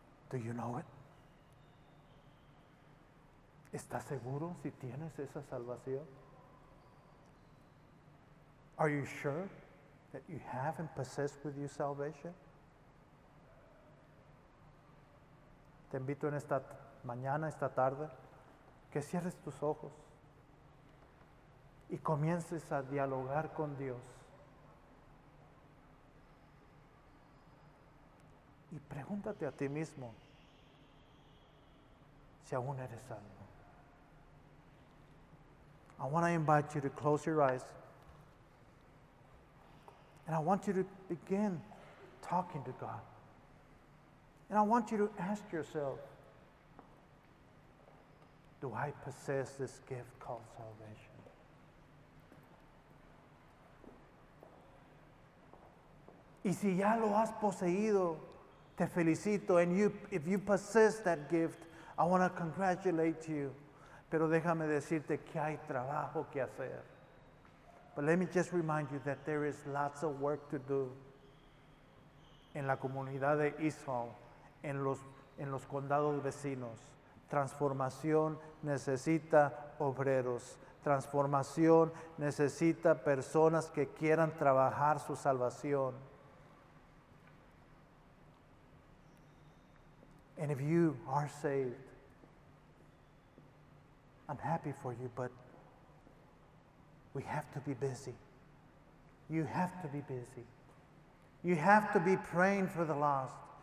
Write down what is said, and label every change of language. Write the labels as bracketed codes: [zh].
[en] Do you know it? [es] ¿Estás seguro si tienes esa salvación? [en] Are you sure that you have and possess with you salvation? [es] Te invito en esta mañana, esta tarde, que cierres tus ojos y comiences a dialogar con Dios. Y pregúntate a ti mismo si aún eres salvo. [en] I want to invite you to close your eyes. And I want you to begin talking to God. And I want you to ask yourself, do I possess this gift called salvation? [es] Y si ya lo has poseído, te felicito. [en] And you, if you possess that gift, I want to congratulate you. [es] Pero déjame decirte que hay trabajo que hacer. [en] But let me just remind you that there is lots of work to do [es] en la comunidad de Israel, en los condados vecinos. Transformación necesita obreros. Transformación necesita personas que quieran trabajar su salvación. [en] And if you are saved, I'm happy for you, but we have to be busy. You have to be busy. You have to be praying for the lost.